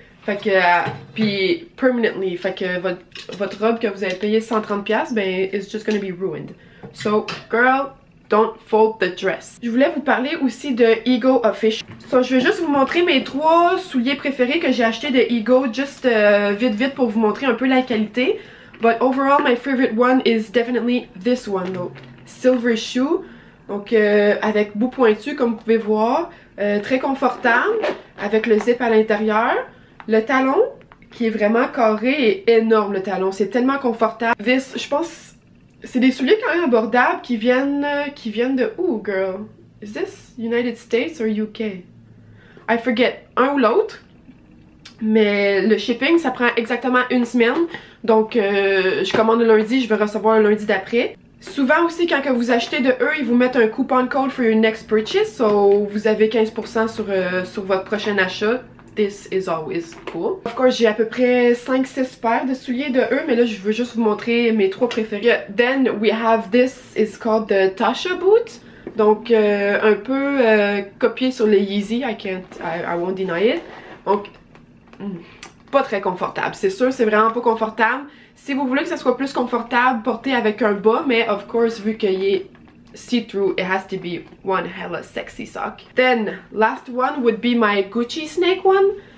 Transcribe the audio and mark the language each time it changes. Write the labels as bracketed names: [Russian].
[French] Fait que, puis permanently, fait que votre robe que vous avez payé 130$, ben, [English] it's just gonna be ruined. So, girl, don't fold the dress. [French] Je voulais vous parler aussi de Ego Official. So, je vais juste vous montrer mes trois souliers préférés que j'ai achetés de Ego, juste vite pour vous montrer un peu la qualité. [English] But overall, my favorite one is definitely this one, though. Silver shoe. [French] Donc, avec bout pointu, comme vous pouvez voir. Très confortable, avec le zip à l'intérieur. Le talon, qui est vraiment carré, est énorme le talon, c'est tellement confortable. This, je pense, c'est des souliers quand même abordables qui viennent de où, girl? [English] Is this United States or UK? I forget, [French] un ou l'autre, mais le shipping, ça prend exactement une semaine, donc je commande le lundi, je vais recevoir le lundi d'après. Souvent aussi, quand que vous achetez de eux, ils vous mettent un coupon code [English] for your next purchase, [French] so vous avez 15% sur votre prochain achat. [English] this is always cool. Of course, [French] j'ai à peu près 5-6 paires de souliers de eux, mais là, je veux juste vous montrer mes 3 préférés. [English] Yeah. Then we have this is called the Tasha boot. [French] Donc, un peu copié sur les Yeezy, [English] I won't deny it. [French] Donc, pas très confortable, c'est sûr, c'est vraiment pas confortable. Si vous voulez que ça soit plus confortable, portez avec un bas, mais [English] of course, [French] vu qu'il est see-through, [English] it has to be one hella sexy sock. Then, last one would be my Gucci Snake one.